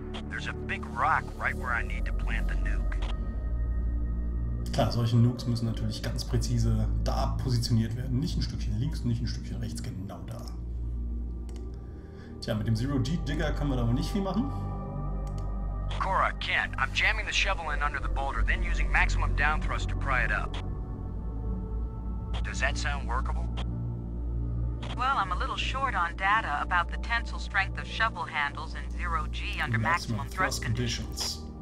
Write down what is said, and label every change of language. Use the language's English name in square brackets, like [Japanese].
[English] There's a big rock right where I need to plant the nuke. [German] Klar, solche Nukes müssen natürlich ganz präzise da positioniert werden. Nicht ein Stückchen links, nicht ein Stückchen rechts, genau da. Tja, mit dem Zero-G-Digger können wir da wohl nicht viel machen. [English] Cora, Kent, I'm jamming the shovel in under the boulder, then using maximum down thrust to pry it up. Does that sound workable? Well, I'm a little short on data about the tensile strength of shovel handles in Zero-G under maximum thrust conditions.